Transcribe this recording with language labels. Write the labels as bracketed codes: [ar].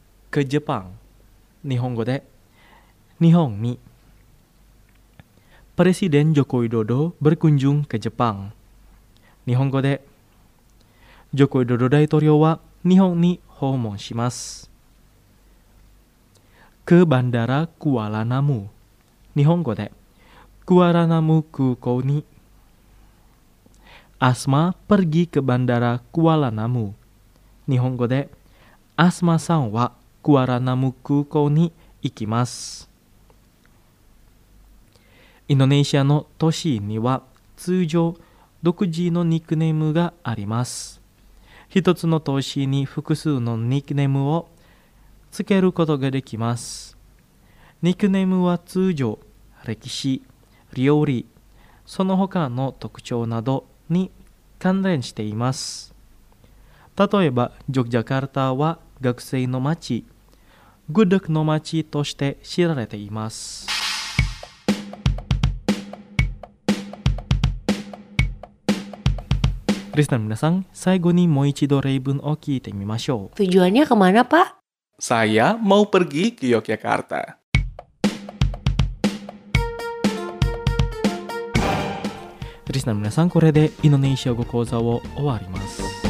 [id] ke Japan、 [ja] 日本語で日本に。 [id] Presiden Joko Widodo berkunjung ke Japan、 [ja] 日本語で Joko Widodo 大統領は日本に訪問します。 [id] ke Bandara Kuala Namu、 [ja] 日本語で Kuala Namu 空港に。 [id] Asma pergi ke bandara Kuala Namu. [ja] 日本語で Asma さんは Kuala Namu 空港に行きます。インドネシアの都市には通常独自のニックネームがあります。一つの投資に複数のニックネームをつけることができます。ニックネームは通常、歴史、料理、その他の特徴などに関連しています。例えばジョクジャカルタは学生の街、グッドクの街として知られています。リスナーの皆さん、最後にもう一度例文を聞いてみましょう。 [id] Tujuannya kemana, Pak? Saya mau pergi ke Yogyakarta. [ja] リスナーの皆さん、これでインドネシア語講座を終わります。